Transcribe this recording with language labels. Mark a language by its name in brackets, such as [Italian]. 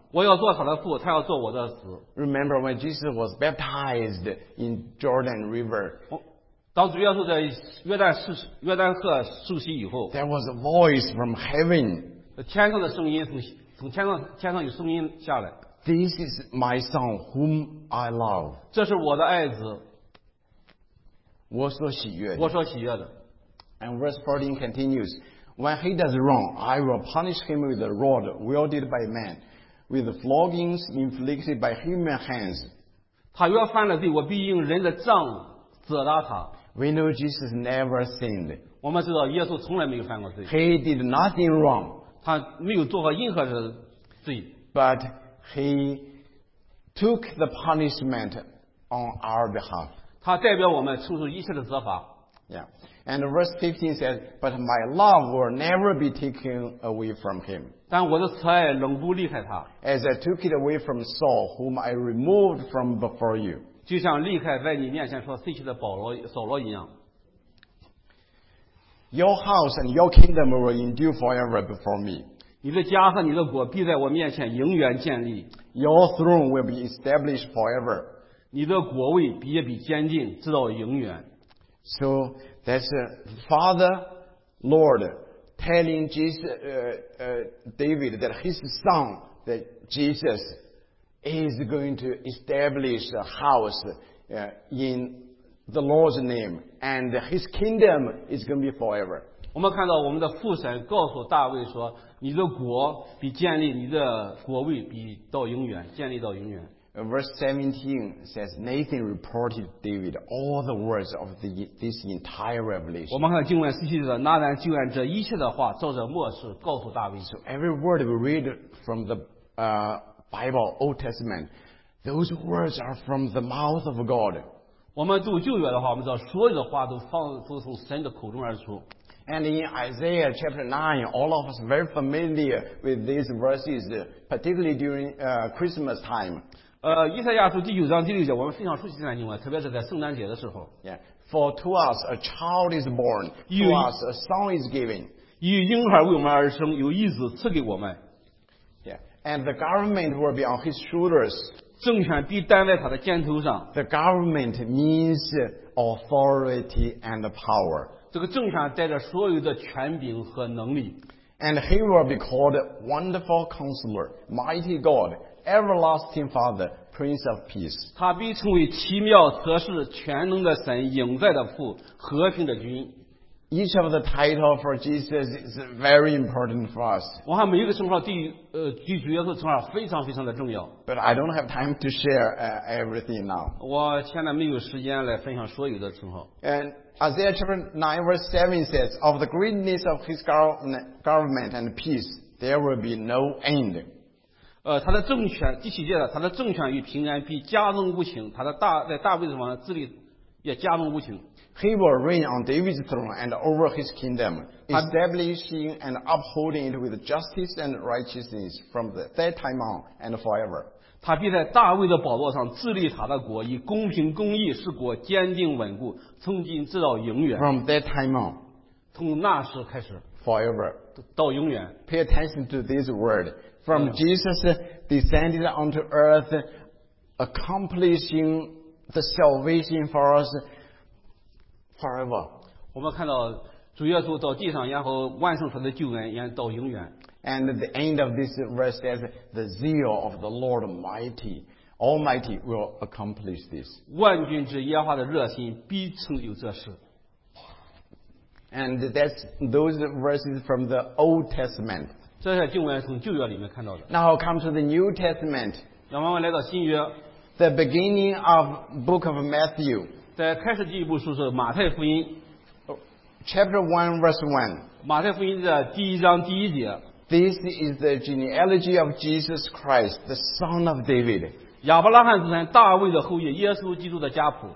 [Chinese] 我要做他的父，他要做我的子。 [English] Remember when Jesus was baptized in Jordan River. [Chinese] 当主耶稣在约旦河受洗以后。 [English] There was a voice from heaven. [Chinese] 天上的声音从天上有声音下来。 [English] This is my son whom I love. [Chinese] 这是我的爱子。我所喜悦的。 [English] And verse 14 continues, When he does wrong, I will punish him with a rod wielded by man, with floggings inflicted by human hands. [Chinese] 他若犯了罪，我必用人的杖责打他。 [English] We know Jesus never sinned. [Chinese] 我们知道耶稣从来没有犯过罪。 [English] He did nothing wrong. [Chinese] 他没有做过任何的罪。 [English] But He took the punishment on our behalf. [Chinese] 他代表我们承受一切的责罚。 Yeah. [English] And verse 15 says, But my love will never be taken away from him. [Chinese] 但我的慈爱仍不离开他。 [English] As I took it away from Saul, whom I removed from before you. [Chinese] 就像离开在你面前说废弃的扫罗一样。 [English] Your house and your kingdom will endure forever before me. [Chinese] 你的家和你的国必在我面前永远建立。 [English] Your throne will be established forever. [Chinese] 你的国位必坚定，直到永远。 [English] So that's Father Lord telling Jesus, David that his son, that Jesus, is going to establish a house in the Lord's name, and his kingdom is going to be forever. [Chinese] 我们看到我们的父神告诉大卫说，你的国比建立，你的国位比到永远，建立到永远。 [English] Verse 17 says Nathan reported David all the words of this entire revelation. [Chinese] 我们看经文十七节，拿单就按这一切的话，照着默示告诉大卫。 [English] So every word we read from the Bible, Old Testament, those words are from the mouth of God. [Chinese] 我们读旧约的话，我们知道所有的话都从神的口中而出。 [English] And in Isaiah chapter 9, all of us are very familiar with these verses, particularly during Christmas time. [Chinese] 以赛亚书第九章第六节，我们非常熟悉这段经文，特别是在圣诞节的时候。 [English] Yeah. For to us a child is born, to us a son is given. [Chinese] 以婴孩为我们而生，有义子赐给我们。 Yeah. [English] And the government will be on his shoulders. [Chinese] 政权必担在他的肩头上。 [English] The government means authority and power. [Chinese] 这个政权带着所有的权柄和能力。 [English] And he will be called Wonderful Counselor, Mighty God, Everlasting Father, Prince of Peace. [Chinese] 他必称为奇妙则是全能的神影在的父和平的君。 [English] Each of the titles for Jesus is very important for us. [Chinese] 我看每一个称号对主耶稣称号非常非常的重要。 [English] But I don't have time to share everything now. [Chinese] 我现在没有时间来分享所有的称号。 [English] And Isaiah chapter 9 verse 7 says, Of the greatness of his government and peace, there will be no end. [Chinese] 他的政权第七节的他的政权与平安必加增无穷他的大在大卫的王治理也加增无穷。 [English] He will reign on David's throne and over his kingdom, establishing and upholding it with justice and righteousness from that time on and forever. [Chinese] 他必在大卫的宝座上治理他的国，以公平公义使国坚定稳固，从今直到永远。 [English] From that time on, [Chinese] 从那时开始 [English] ，forever [Chinese] 到永远。 [English] Pay attention to this word. From Jesus descended onto earth, accomplishing the salvation for us. Forever. [Chinese] 我们看到主耶稣到地上，然后万圣他的救恩，然后到永远。 [English] And the end of this verse says, "The zeal of the Lord Mighty, Almighty, will accomplish this." [Chinese] 万军之耶和华的热心必成就这事。 [English] And that's those verses from the Old Testament. [Chinese] 这些经文从旧约里面看到的。 [English] Now come to the New Testament. [Chinese] 让我们来到新约。 [English] The beginning of Book of Matthew. [Chinese] 在开始第一部书是马太福音 [English] Chapter 1 verse 1 [Chinese] 马太福音的第一章第一节 [English] This is the genealogy of Jesus Christ, the son of David [Chinese] 亚伯拉罕之神大卫的后裔耶稣基督的家谱